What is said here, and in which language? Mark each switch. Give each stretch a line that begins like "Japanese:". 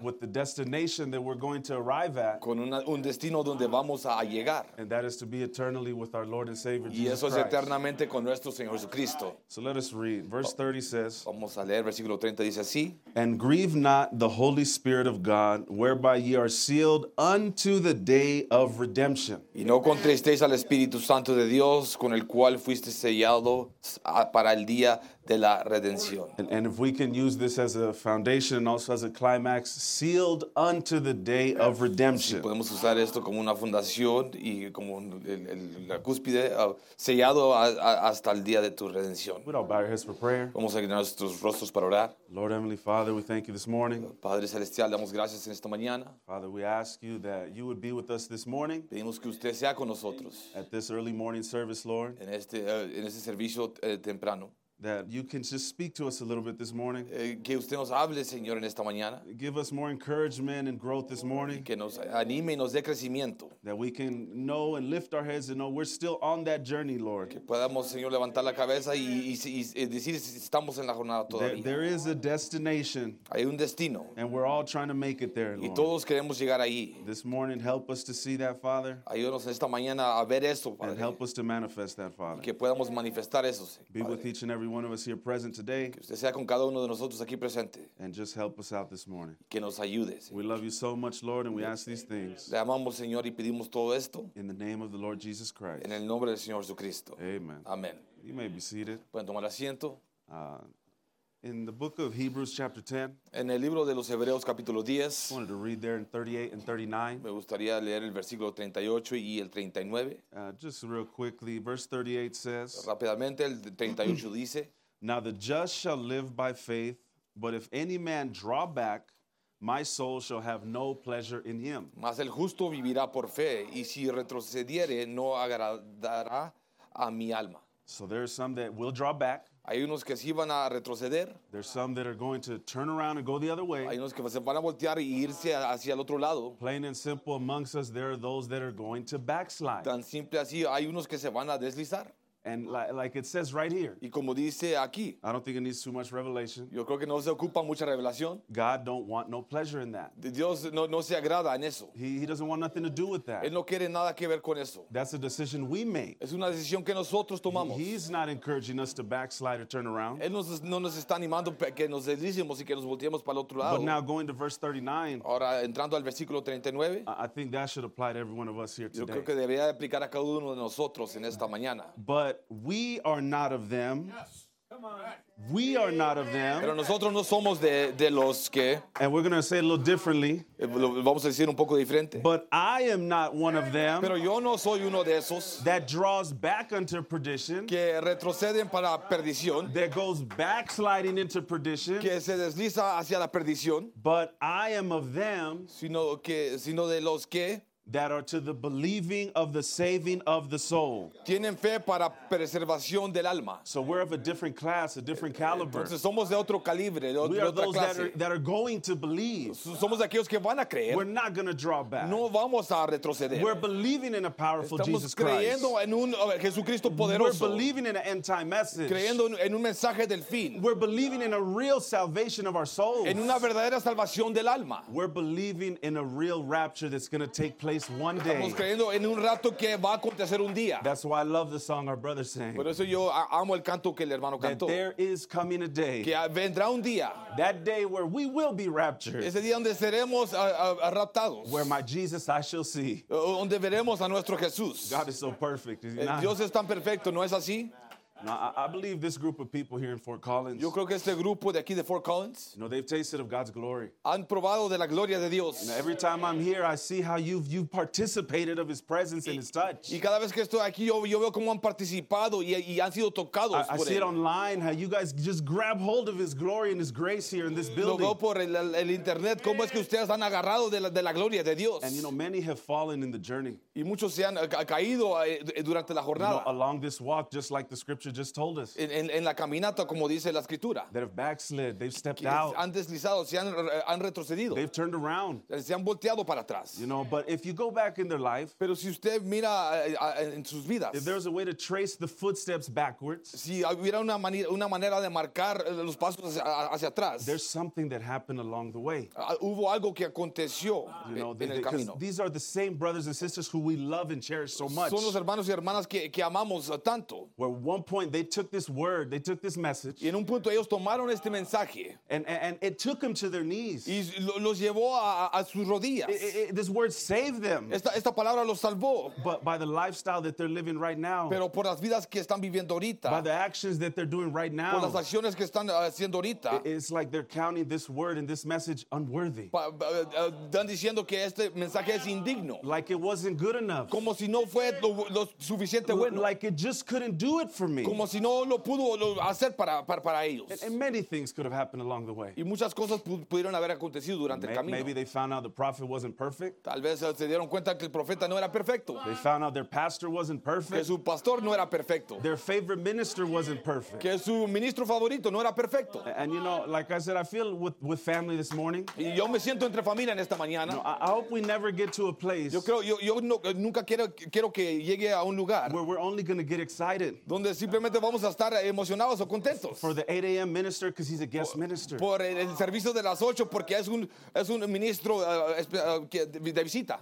English: With the destination that we're going to arrive at.
Spanish: Con un destino donde vamos a llegar.
English: And that is to be eternally with our Lord and Savior Jesus
Spanish: Christ. Y eso es eternamente con nuestro Señor Jesucristo.
English: So let us read. Verse 30 says.
Spanish: Vamos a leer versículo 30 dice así.
English: And grieve not the Holy Spirit of God, whereby ye are sealed unto the day of redemption.
Spanish: Y no contristéis al Espíritu Santo de Dios, con el cual fuiste sellado para el día de la redención.
English: And if we can use this as a foundation and also as a climax, sealed unto the day of redemption.
Spanish: Si podemos usar esto como una fundación y como la cúspide, sellado hasta el día de tu redención.
English: We'll bow our heads for prayer.
Spanish: Vamos a inclinar nuestros rostros para orar.
English: Lord Heavenly Father, we thank you this morning.
Spanish: Padre Celestial, damos gracias en esta mañana.
English: Father, we ask you that you would be with us this morning.
Spanish: Pedimos que usted sea con nosotros.
English: At this early morning service, Lord.
Spanish: En este servicio temprano.
English: That you can just speak to us a little bit this morning.
Spanish: Que usted nos hable, Señor, en esta mañana.
English: Give us more encouragement and growth this morning.
Spanish: Que nos anime y nos dé crecimiento.
English: That we can know and lift our heads and know we're still on that journey, Lord.
Spanish: Que podamos, Señor, levantar la cabeza y decir si estamos en la jornada todavía.
English: There is a destination.
Spanish: Hay un destino.
English: And we're all trying to make it there, Lord.
Spanish: Y todos queremos llegar ahí.
English: This morning, help us to see that, Father.
Spanish: Ayúdanos esta mañana a ver eso, Padre.
English: And help us to manifest that, Father.
Spanish: Que podamos manifestar eso, Señor.
English: Be with each and every one of us here present today.
Spanish: Que usted sea con cada uno de nosotros aquí presente.
English: And just help us out this morning.
Spanish: Que nos ayude, Señor.
English: We love you so much, Lord, and we ask these things.
Spanish: Le amamos, Señor, y pedimos todo esto.
English: In the name of the Lord Jesus Christ.
Spanish: En el nombre del Señor Jesucristo.
English: Amen.
Spanish: Amen.
English: You may be seated.
Spanish: Pueden tomar asiento.
English: In the book of Hebrews, chapter 10.
Spanish: En el libro de los Hebreos, capítulo 10.
English: I wanted to read there in 38 and 39.
Spanish: Me gustaría leer el versículo 38 y el 39.
English: Just real quickly, verse 38 says.
Spanish: Rápidamente, el 38 dice.
English: Now the just shall live by faith, but if any man draw back, my soul shall have no pleasure in him.
Spanish: Mas el justo vivirá por fe, y si retrocediere, no agradará a mi alma.
English: So there are some that will draw back.
Spanish: Hay unos que sí van a retroceder.
English: There's some that are going to turn around and go the other way.
Spanish: Hay unos que se van a voltear y irse hacia el otro lado.
English: Plain and simple, amongst us, there are those that are going to backslide.
Spanish: Tan simple así, hay unos que se van a deslizar.
English: And like it says right here.
Spanish: Y como dice aquí.
English: I don't think it needs too much revelation.
Spanish: Yo creo que no se ocupa mucha revelación.
English: God don't want no pleasure in that.
Spanish: Dios no se agrada en eso.
English: He doesn't want nothing to do with that.
Spanish: Él no quiere nada que ver con eso.
English: That's a decision we make.
Spanish: Es una decisión que nosotros tomamos.
English: He's not encouraging us to backslide or turn around.
Spanish: Él no nos está animando que nos deslicemos y que nos volteemos para el otro lado.
English: But now going to verse 39.
Spanish: Ahora entrando al versículo 39.
English: I think that should apply to every one of us here today.
Spanish: Yo creo que debería aplicar a cada uno de nosotros en esta mañana.
English: But we are not of them. Yes. Come on. We are not of them.
Spanish: Pero nosotros no somos de los que.
English: And we're going to say it a little differently.
Spanish: Vamos a decir un poco diferente.
English: But I am not one of them.
Spanish: Pero yo no soy uno de esos.
English: That draws back unto perdition.
Spanish: Que retroceden para perdición.
English: That goes backsliding into perdition.
Spanish: Que se desliza hacia la perdición.
English: But I am of them.
Spanish: Sino de los que.
English: That are to the believing of the saving of the soul.
Spanish: Tienen fe para preservación del alma.
English: So we're of a different class, a different caliber.
Spanish: Entonces somos de otro calibre, de otra clase.
English: We are those that are going to believe.
Spanish: Somos aquellos que van a creer.
English: We're not going to draw back.
Spanish: No vamos a retroceder.
English: We're believing in a powerful
Spanish: Estamos
English: Jesus
Spanish: creyendo
English: Christ.
Spanish: En un Jesucristo poderoso.
English: We're believing in an end time message.
Spanish: Creyendo en un mensaje del fin.
English: We're believing in a real salvation of our souls.
Spanish: En una verdadera salvación del alma.
English: We're believing in a real rapture that's going to take place. One day.
Spanish: Estamos creyendo en un rato que va a acontecer un día.
English: That's why I love the song our brother sang.
Spanish: Por eso yo amo el canto que el hermano cantó.
English: That there is coming a day.
Spanish: Que vendrá un día.
English: That day where we will be raptured.
Spanish: Ese día donde seremos raptados.
English: Where my Jesus I shall see.
Spanish: Donde veremos a nuestro Jesús.
English: God is so perfect.
Spanish: Dios es tan perfecto, ¿no es así?
English: No, I believe this group of people here in Fort Collins.
Spanish: Yo creo que este grupo de aquí de Fort Collins.
English: You know, they've tasted of God's glory.
Spanish: Han probado de la gloria de Dios.
English: And every time I'm here, I see how you've participated of His presence and His touch.
Spanish: Y cada vez que estoy aquí, yo veo cómo han participado y han sido tocados por él.
English: I see it online how you guys just grab hold of His glory and His grace here in this building.
Spanish: Lo veo por el internet cómo es que ustedes han agarrado de la gloria de Dios.
English: And you know, many have fallen in the journey.
Spanish: Y muchos se han caído durante la jornada.
English: You know, along this walk, just like the scripture. Just told us.
Spanish: En la caminata, como dice la escritura.
English: That have backslid, they've stepped out.
Spanish: Han deslizado, han retrocedido.
English: They've turned around.
Spanish: Se han volteado para atrás.
English: You know, but if you go back in their life,
Spanish: pero si usted mira en sus vidas,
English: if there's a way to trace the footsteps backwards,
Spanish: si hubiera una manera de marcar los pasos hacia atrás,
English: there's something that happened along the way.
Spanish: Hubo algo que aconteció en el camino.
English: These are the same brothers and sisters who we love and cherish so much.
Spanish: Son los hermanos y hermanas que amamos tanto.
English: Where one point they took this word, they took this message,
Spanish: y en un punto ellos tomaron este mensaje,
English: and it took them to their knees,
Spanish: y los llevó a sus rodillas.
English: This word saved them.
Spanish: Esta palabra los salvó.
English: But by the lifestyle that they're living right now,
Spanish: pero por las vidas que están viviendo ahorita,
English: by the actions that they're doing right now,
Spanish: por las acciones que están haciendo ahorita,
English: it's like they're counting this word and this message unworthy.
Spanish: Están diciendo que este mensaje es indigno,
English: like it wasn't good enough,
Spanish: como si no fue lo suficiente bueno,
English: like it just couldn't do it for me.
Spanish: Como si no lo pudo hacer para ellos.
English: And many things could have happened along the way.
Spanish: Y muchas cosas pudieron haber acontecido durante el camino.
English: Maybe they found out the prophet wasn't perfect.
Spanish: Tal vez se dieron cuenta que el profeta no era perfecto.
English: They found out their pastor wasn't perfect.
Spanish: Que su pastor no era perfecto.
English: Their favorite minister wasn't perfect.
Spanish: Que su ministro favorito no era perfecto.
English: And you know, like I said, I feel with family this morning.
Spanish: Y yo me siento entre familia en esta mañana.
English: No, I hope we never get to a place.
Spanish: Yo creo, yo no, nunca quiero que llegue a un lugar.
English: Where we're only going to get excited.
Spanish: Donde simplemente vamos a estar emocionados o contentos.
English: For the 8 a.m. minister, because he's a guest minister.
Spanish: Por el servicio de las 8, porque es un ministro de visita.